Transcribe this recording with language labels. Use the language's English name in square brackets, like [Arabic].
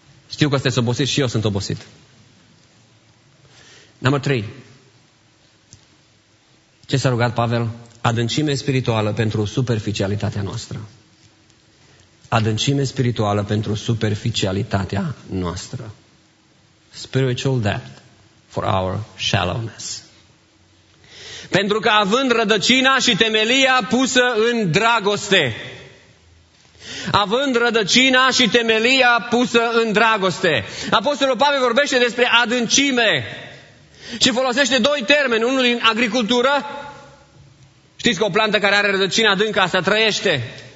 [Romanian] Știu că sunteți obosit și eu sunt obosit. Numărul 3. Ce s-a rugat Pavel? Adâncime spirituală pentru superficialitatea noastră. Adâncime spirituală pentru superficialitatea noastră. [English] Spiritual depth for our shallowness. [Romanian] Pentru că având rădăcina și temelia pusă în dragoste. Având rădăcina și temelia pusă în dragoste. Apostolul Pavel vorbește despre adâncime și folosește doi termeni. Unul din agricultură. Știți că o plantă care are rădăcina adâncă, asta trăiește.